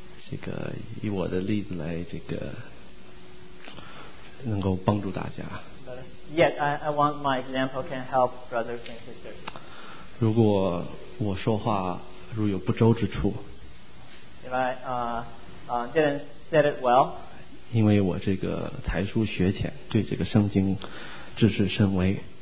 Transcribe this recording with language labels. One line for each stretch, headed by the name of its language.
Chinese: 这个以我的例子来，这个能够帮助大家。
English: Yet I want my example can help brothers and sisters.
Chinese: 如果我说话如有不周之处
English: ，If I didn't said it well，
Chinese: 因为我这个才疏学浅，对这个圣经知识甚微。